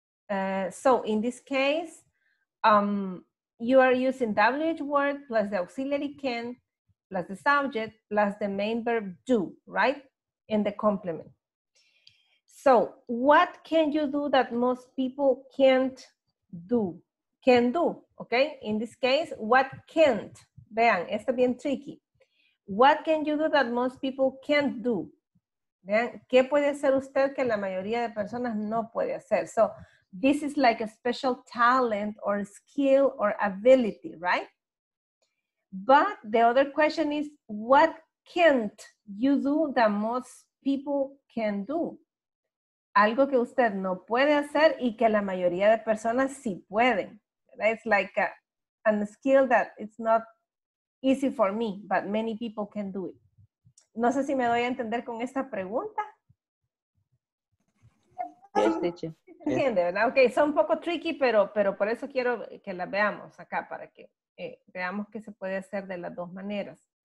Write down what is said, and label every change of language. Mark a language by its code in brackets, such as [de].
[en] So in this case, you are using WH word plus the auxiliary can, plus the subject, plus the main verb do, right? In the complement. So, what can you do that most people can't do? Can do, okay? In this case, what can't? [es] Vean, está bien [en] tricky. What can you do that most people can't do? [es] Vean, ¿qué puede hacer usted que la mayoría de personas no puede hacer? [en] So, this is like a special talent or skill or ability, right? But the other question is, what can't you do that most people can do? [es] Algo que usted no puede hacer y que la mayoría de personas sí pueden. ¿Verdad? [en] It's like a skill that it's not easy for me, but many people can do it. [es] No sé si me doy a entender con esta pregunta. [en] Yes, teacher. [es] ¿Entiende, verdad? Ok, son un poco tricky, pero por eso quiero que la veamos acá, para que veamos qué se puede hacer de las dos maneras.